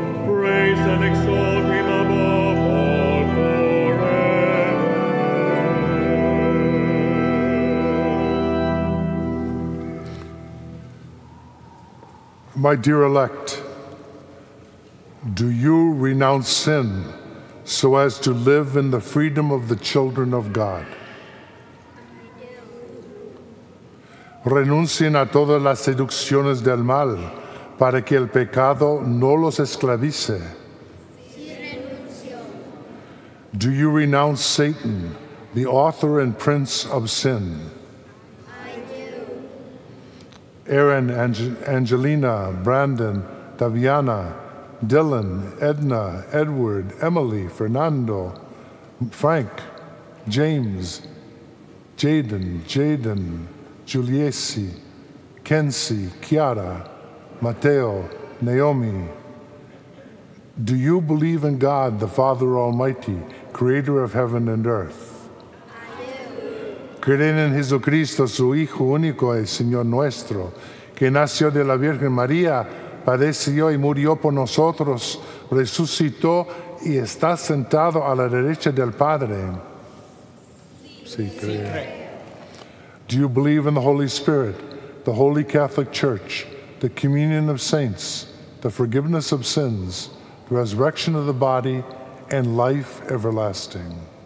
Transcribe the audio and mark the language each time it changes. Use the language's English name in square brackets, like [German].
[English] Praise and exalt him above all forever. My dear elect, do you renounce sin so as to live in the freedom of the children of God? [Spanish] Renuncien a todas las seducciones del mal para que el pecado no los esclavice. [English] Do you renounce Satan, the author and prince of sin? Aaron, Angelina, Brandon, Daviana, Dylan, Edna, Edward, Emily, Fernando, Frank, James, Jaden, Juliesi, Kenzie, Chiara, Matteo, Naomi. Do you believe in God, the Father Almighty, creator of heaven and earth? [Spanish] Creen en Jesucristo, su Hijo único y Señor nuestro, que nació de la Virgen María, padeció y murió por nosotros, resucitó y está sentado a la derecha del Padre. Sí, creen. [English] Do you believe in the Holy Spirit, the Holy Catholic Church, the communion of saints, the forgiveness of sins, the resurrection of the body, and life everlasting?